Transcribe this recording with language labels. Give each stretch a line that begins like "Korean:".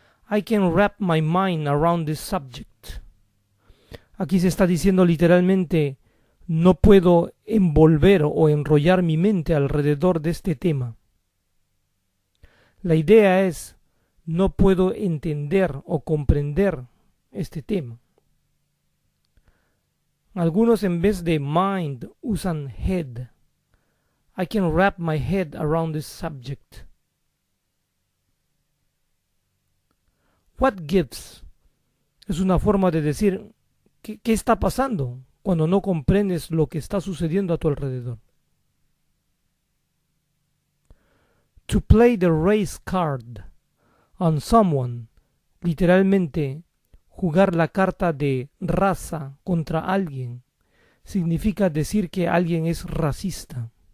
English: I can wrap my mind around this subject.
Spanish: Aquí se está diciendo literalmente no puedo envolver o enrollar mi mente alrededor de este tema. La idea es, no puedo entender o comprender este tema. Algunos en vez de mind usan head.
English: I can wrap my head around this subject. What gives?
Spanish: Es una forma de decir, ¿qué está pasando? Cuando no comprendes lo que está sucediendo a tu alrededor.
English: To play the race card on someone,
Spanish: literalmente jugar la carta de raza contra alguien, significa decir que alguien es racista.